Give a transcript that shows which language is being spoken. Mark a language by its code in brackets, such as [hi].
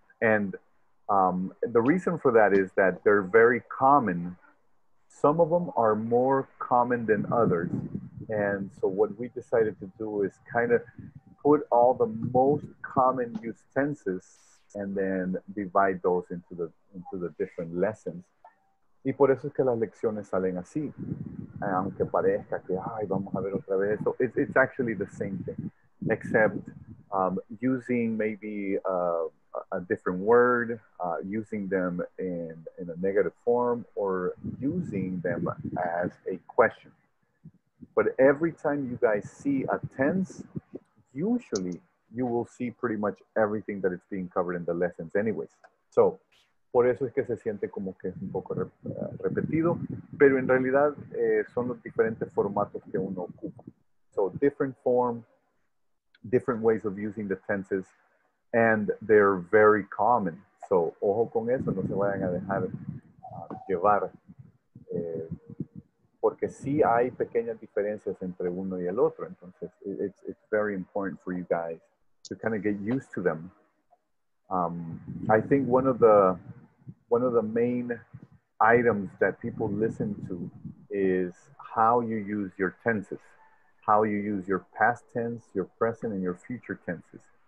[en] And the reason for that is that they're very common. Some of them are more common than others. And so what we decided to do is kind of put all the most common used tenses and then divide those into the different lessons. [es] Y por eso es que las lecciones salen así. Aunque parezca que, ay, vamos a ver otra vez esto. [en] It's actually the same thing, except using maybe a different word, using them in a negative form, or using them as a question. But every time you guys see a tense, usually you will see pretty much everything that is being covered in the lessons anyways. [es] So, por eso es que se siente como que es un poco repetido, pero en realidad son los diferentes formatos que uno ocupa. [en] So, different form, different ways of using the tenses, and they're very common. [es] So, ojo con eso, no se vayan a dejar llevar. Porque sí hay pequeñas diferencias entre uno y el otro. Entonces, [en] it's very important for you guys to kind of get used to them. I think one of the main items that people listen to is how you use your tenses, how you use your past tense, your present, and your future tenses.